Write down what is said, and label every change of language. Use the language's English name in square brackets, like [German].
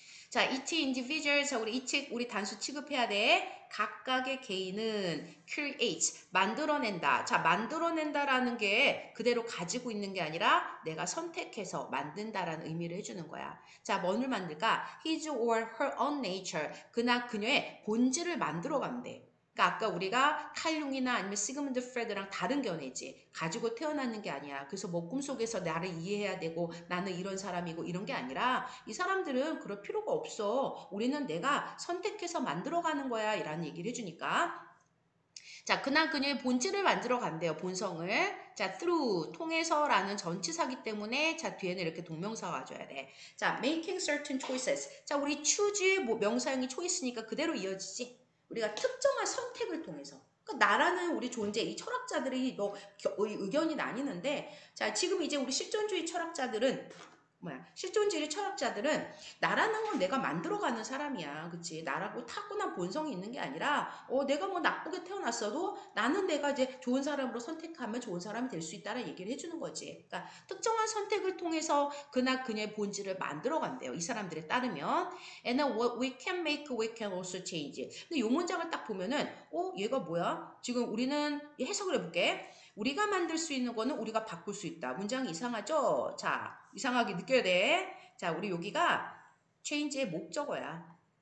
[Korean] 자, [English] each individual, [Korean] 자, 우리 이책 우리 단수 취급해야 돼. 각각의 개인은 create, 만들어낸다. 자, 만들어낸다라는 게 그대로 가지고 있는 게 아니라 내가 선택해서 만든다라는 의미를 해주는 거야. 자, 뭘 만들까? [English] His or her own nature, [Korean] 그나 그녀의 본질을 만들어간대. 아까 우리가 칼융이나 아니면 시그먼드 프레드랑 다른 견해지. 가지고 태어나는 게 아니야. 그래서 뭐 꿈속에서 나를 이해해야 되고 나는 이런 사람이고 이런 게 아니라 이 사람들은 그럴 필요가 없어. 우리는 내가 선택해서 만들어가는 거야. 이라는 얘기를 해주니까. 자, 그나 그녀의 본질을 만들어 간대요, 본성을. 자, through, 통해서라는 전치사기 때문에, 자, 뒤에는 이렇게 동명사가 와줘야 돼. [English] 자, making certain choices. [Korean] 자, 우리 choose의 명사형이 choice니까 그대로 이어지지. 우리가 특정한 선택을 통해서. 그 나라는 우리 존재, 이 철학자들이 뭐 의견이 나뉘는데, 자, 지금 이제 우리 실존주의 철학자들은 뭐야, 실존주의 철학자들은 나라는 건 내가 만들어가는 사람이야. 그치? 나라고 타고난 본성이 있는 게 아니라, 내가 뭐 나쁘게 태어났어도 나는 내가 이제 좋은 사람으로 선택하면 좋은 사람이 될수 있다라는 얘기를 해주는 거지. 그러니까 특정한 선택을 통해서 그나 그녀의 본질을 만들어 간대요. 이 사람들에 따르면. [English] And what we can make, we can also change. [Korean] 근데 이 문장을 딱 보면은, 얘가 뭐야? 지금 우리는 해석을 해볼게. 우리가 만들 수 있는 거는 우리가 바꿀 수 있다. 문장이 이상하죠? 자, 이상하게 느껴야 돼. 자, 우리 여기가 change의 목적어야.